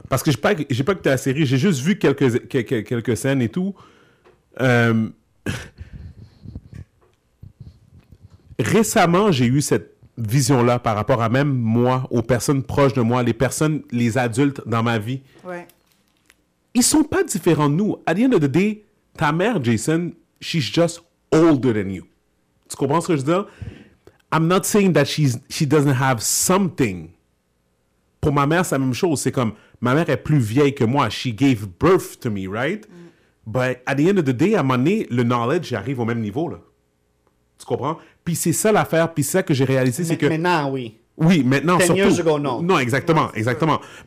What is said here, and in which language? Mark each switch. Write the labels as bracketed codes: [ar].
[fr] Parce que j'ai pas écouté la série, j'ai juste vu quelques scènes et tout. Récemment, j'ai eu cette vision-là par rapport à même moi, aux personnes proches de moi, les personnes, les adultes dans ma vie. Ouais. Ils sont pas différents de nous. [en] At the end of the day, ta mère, Jason, she's just older than you. [fr] Tu comprends ce que je dis? [en] I'm not saying that she doesn't have something. [fr] Pour ma mère, c'est la même chose. C'est comme, ma mère est plus vieille que moi. [en] She gave birth to me, right? Mm. But at the end of the day, [fr] à un moment donné, le knowledge arrive au même niveau, là. Tu comprends? Puis c'est ça l'affaire, puis c'est ça que j'ai réalisé, c'est que... Maintenant, oui. Oui, maintenant, [en] ten [fr] surtout. [en] 10 years ago, non. [fr] Non, exactement, non, exactement. Sûr.